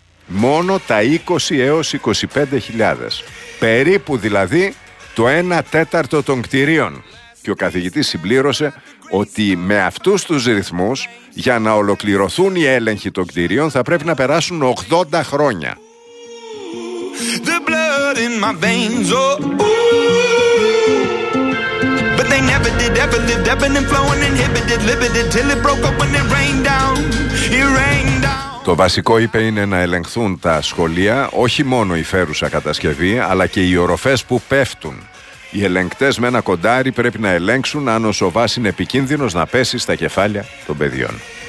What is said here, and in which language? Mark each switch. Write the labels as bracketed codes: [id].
[el] Μόνο τα 20 έως 25.000. Περίπου δηλαδή το 1 τέταρτο των κτιρίων. Και ο καθηγητής συμπλήρωσε ότι με αυτούς τους ρυθμούς, για να ολοκληρωθούν οι έλεγχοι των κτιρίων, θα πρέπει να περάσουν 80 χρόνια. [en] The blood in my veins, oh, but they never did ever lived, ebbing and flowing, inhibited, limited, till it broke up when it rained down. It rained down. [el] Το βασικό, είπε, είναι να ελεγχθούν τα σχολεία, όχι μόνο η φέρουσα κατασκευή, αλλά και οι οροφές που πέφτουν. Οι ελεγκτές με ένα κοντάρι πρέπει να ελέγξουν αν ο σοβάς είναι επικίνδυνος να πέσει στα κεφάλια των παιδιών.